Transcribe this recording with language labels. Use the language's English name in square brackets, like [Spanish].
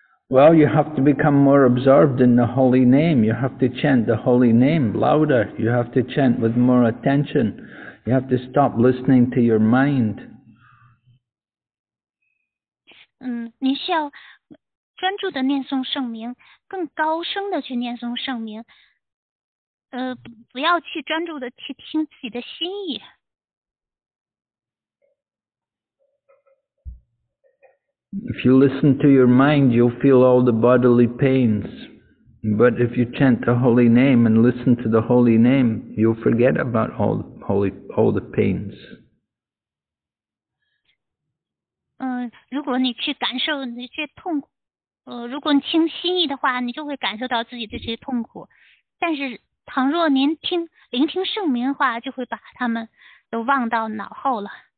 [English] Well, you have to become more absorbed in the holy name. You have to chant the holy name louder. You have to chant with more attention. You have to stop listening to your mind. [Chinese] 你需要专注地念诵圣名，更高声地去念诵圣名。不要去专注地去听自己的心意。 [English] If you listen to your mind, you'll feel all the bodily pains. But if you chant the holy name and listen to the holy name, you'll forget about all the pains. [Chinese] 如果你去感受那些痛苦，如果你听心意的话，你就会感受到自己这些痛苦。但是，倘若您听聆听圣名的话，就会把他们都忘到脑后了。